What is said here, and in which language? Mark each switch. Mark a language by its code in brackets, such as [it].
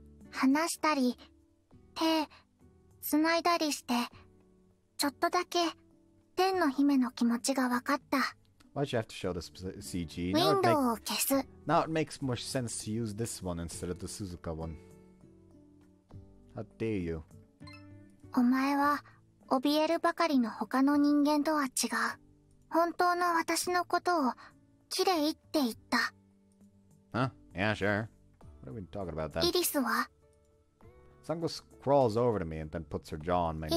[ja] 話したり, 手繋いだりして, ちょっとだけ天の姫の気持ちが分かった. [en] Why'd you have to show this CG? Now it makes more sense to use this one instead of the Suzuka one. How dare you? [ja] お前は怯えるばかりの他の人間とは違う。本当の私のことを綺麗って言った。 [en] Huh? Yeah, sure. What are we talking about then? [ja] イリスは? [en] Sango crawls over to me and then puts her jaw on my knee.